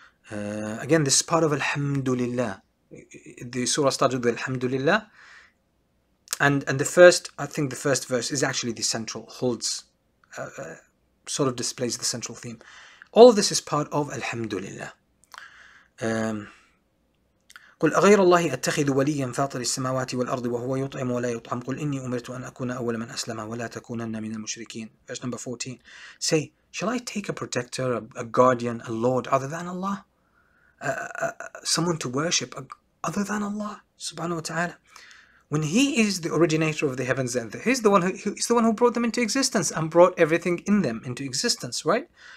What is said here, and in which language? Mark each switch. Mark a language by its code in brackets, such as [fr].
[en] Again, this part of Alhamdulillah. The surah started with Alhamdulillah. And the first, I think the first verse is actually the central, sort of displays the central theme. All of this is part of Alhamdulillah. [ar] قل أغير الله أتخذ وليا فاطر السماوات والأرض وهو يطعم ولا يطعم قل إني أمرت أن أكون أول من أسلم ولا تكونن من المشركين. [en] Verse number 14. Say, shall I take a protector, a guardian, a lord other than Allah? Someone to worship other than Allah subhanahu wa ta'ala? When He is the originator of the heavens and he's the one who brought them into existence and brought everything in them into existence, right?